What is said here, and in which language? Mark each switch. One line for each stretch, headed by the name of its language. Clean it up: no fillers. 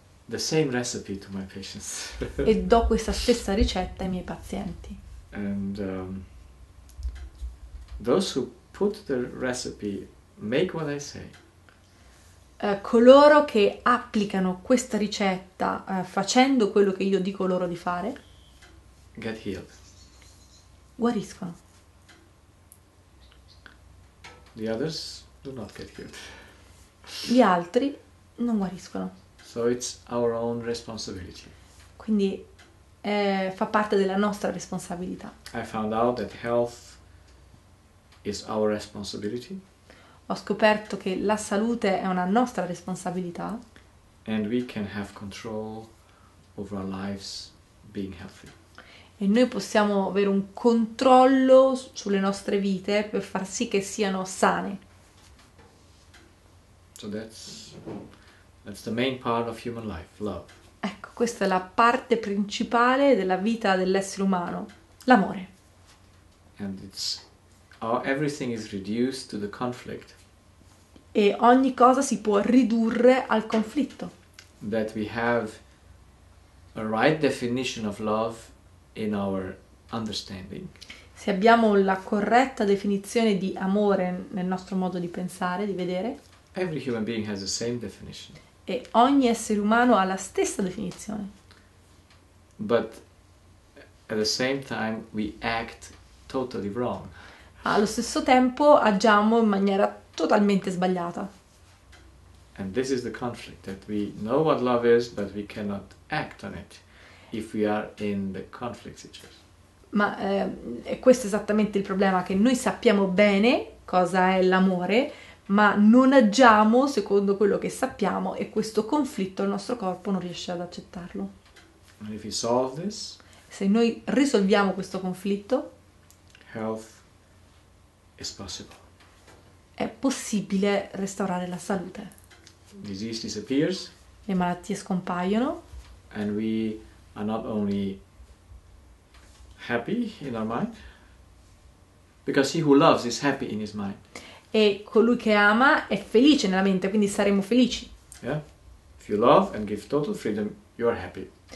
English: the same recipe to my patients.
Italian: E do questa stessa ricetta ai miei pazienti.
English: And those who put the recipe make what I say.
Italian: Coloro che applicano questa ricetta facendo quello che io dico loro di fare,
English: get healed.
Italian: Guariscono.
English: The others do not get healed.
Italian: Gli altri non guariscono.
English: So it's our own responsibility.
Italian: Quindi fa parte della nostra responsabilità.
English: I found out that health is our responsibility.
Italian: Ho scoperto che la salute è una nostra responsabilità.
English: And we can have control over our lives being healthy.
Italian: E noi possiamo avere un controllo sulle nostre vite per far sì che siano sane.
English: So that's the main part of human life, love.
Italian: Ecco, questa è la parte principale della vita dell'essere umano, l'amore.
English: And it's how everything is reduced to the conflict.
Italian: E ogni cosa si può ridurre al conflitto.
English: That we have a right definition of love. In our understanding.
Italian: Se abbiamo la corretta definizione di amore nel nostro modo di pensare, di vedere,
English: every human being has the same definition.
Italian: E ogni essere umano ha la stessa definizione.
English: But at the same time we act totally wrong.
Italian: Allo stesso tempo agiamo in maniera totalmente sbagliata.
English: And this is the conflict that we know what love is, but we cannot act on it. If we are in the conflict situation.
Italian: Ma è questo esattamente il problema, che noi sappiamo bene cosa è l'amore, ma non agiamo secondo quello che sappiamo e questo conflitto il nostro corpo non riesce ad accettarlo.
English: And if we solve this,
Italian: se noi risolviamo questo conflitto,
English: health is possible.
Italian: È possibile restaurare la salute.
English: Disease disappears.
Italian: Le malattie scompaiono.
English: And we are not only happy in our mind, because he who loves is happy in his mind.
Italian: E colui che ama è felice nella mente, quindi saremo felici.
English: Yeah, if you love and give total freedom, you are happy.